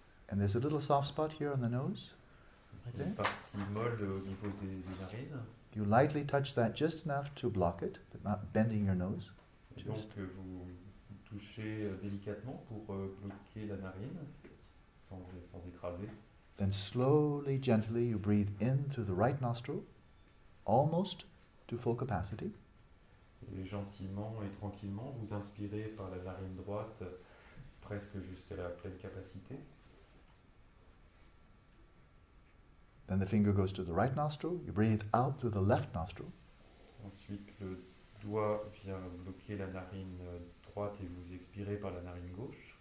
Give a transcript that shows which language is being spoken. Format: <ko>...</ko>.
<en>And there's a little soft spot here on the nose. Right there.</en> <fr>Une partie molle au niveau des narines.</fr> <en>You lightly touch that just enough to block it, but not bending your nose.</en> <fr>Donc vous touchez délicatement pour bloquer la narine, sans écraser.</fr> <en>Then slowly, gently, you breathe in through the right nostril, almost to full capacity.</en> <fr>Et gentiment et tranquillement, vous inspirez par la narine droite, presque jusqu'à la pleine capacité.</fr> <en>Then the finger goes to the right nostril. You breathe out through the left nostril.</en> <fr>Ensuite, le doigt vient bloquer la narine droite et vous expirez par la narine gauche.</fr>